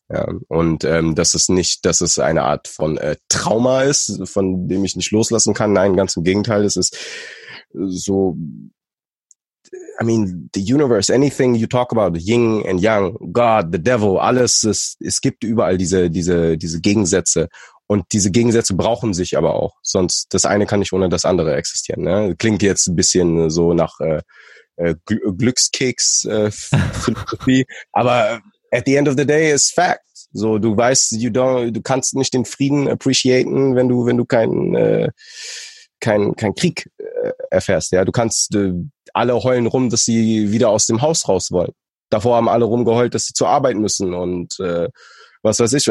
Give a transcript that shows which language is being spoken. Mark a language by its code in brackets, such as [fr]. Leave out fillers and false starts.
[de] Ja. Und das ist nicht, dass es eine Art von Trauma ist, von dem ich nicht loslassen kann, nein, ganz im Gegenteil, es ist so, [en] I mean, the universe, anything you talk about, yin and yang, God, the devil, [de] alles, es gibt überall diese Gegensätze. Und diese Gegensätze brauchen sich aber auch. Sonst, das eine kann nicht ohne das andere existieren, ne? Klingt jetzt ein bisschen so nach Glückskeks-Philosophie. Aber [en] at the end of the day is fact. [de] So, du weißt, du kannst nicht den Frieden appreciaten, wenn du keinen Krieg erfährst, ja. Du kannst, alle heulen rum, dass sie wieder aus dem Haus raus wollen. Davor haben alle rumgeheult, dass sie zur Arbeit müssen und was weiß ich.